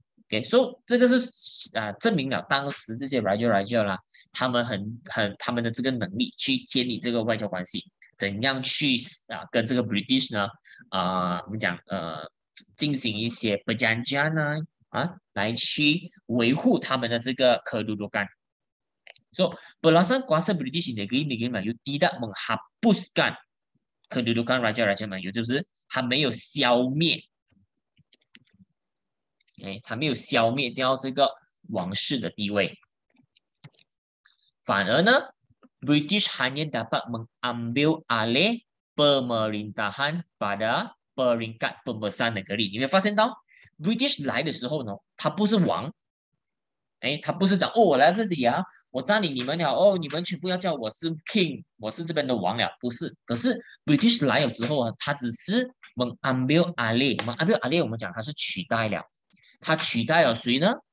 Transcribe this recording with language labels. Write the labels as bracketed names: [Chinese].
[Chinese] Okay, so 这个是证明了当时这些 Raja 啦，他们的这个能力去建立这个外交关系，怎样去跟这个 British 呢我们讲进行一些 perjanjian 来去维护他们的这个 kedudukan。 [Malay] So belasan kuasa British negeri-negeri Melayu tidak menghapuskan kedudukan Raja-Raja Melayu, [Chinese] 就是他没有消灭。他没有消灭掉这个王室的地位，反而呢 [Malay] British hanya dapat mengambil alih pemerintahan pada peringkat pembesar negeri. [Chinese] 你没有发现到 British 来的时候呢，他不是王，他不是讲哦，我来这里啊，我占领你们了，哦，你们全部要叫我是 King， 我是这边的王了，不是。可是 British 来了之后啊，他只是 [Malay] mengambil alih， mengambil alih [Chinese] 我们讲他是取代了，他取代了谁呢？